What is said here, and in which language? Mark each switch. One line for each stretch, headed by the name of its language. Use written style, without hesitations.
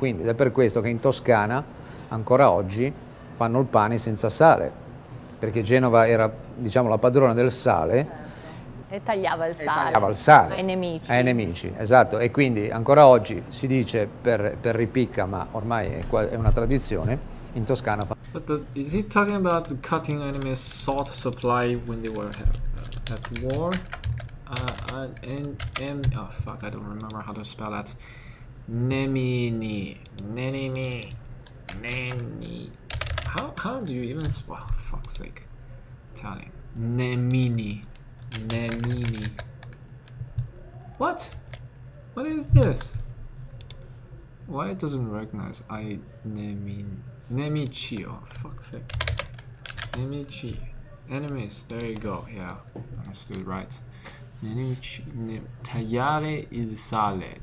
Italian: Quindi, ed è per questo che in Toscana ancora oggi fanno il pane senza sale, perché Genova era, diciamo, la padrona del sale E tagliava il e tagliava il sale ai sale ai nemici. nemici. Esatto. E quindi ancora oggi si dice per ripicca, ma ormai è una tradizione, in Toscana fanno.
English: Is he talking about cutting enemy's salt supply when they were at war? Oh fuck, I don't remember how to spell that. Nemini. Nenimi. Neni. How do you even spell? Oh, fuck's sake. Italian. Nemini. Nemini. What? What is this? Why it doesn't recognize I Nemichi, oh fuck's sake. Nemichi. Enemies, there you go, yeah. I'm still right.
Italian: Nemichi tagliare il sale.